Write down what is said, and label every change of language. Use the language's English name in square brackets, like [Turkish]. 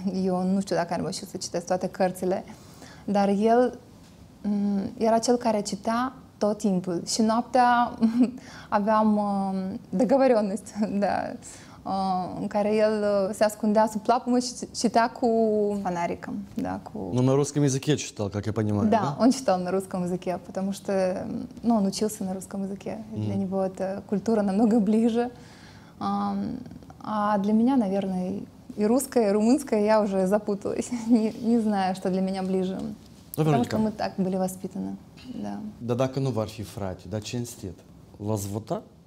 [Romanian] Eu nu știu dacă am reușit să citesc toate cărțile, dar el era cel care citea tot timpul și noaptea aveam The Governess, da, în care el se ascundea sub plapumă și citea cu fanarică, da, cu... [Russian] Но на русском языке читал, как я понимаю, да? Он читал на русском языке, потому что, ну, он учился на русском языке. Для него эта культура намного ближе. А для меня, наверное, и русская, и румынская, я уже запуталась. Не знаю, что для меня ближе. Потому что мы так были воспитаны, да. [Romanian] Да, dacă nu v-ar fi frate, dar cinstit, l-ați votat?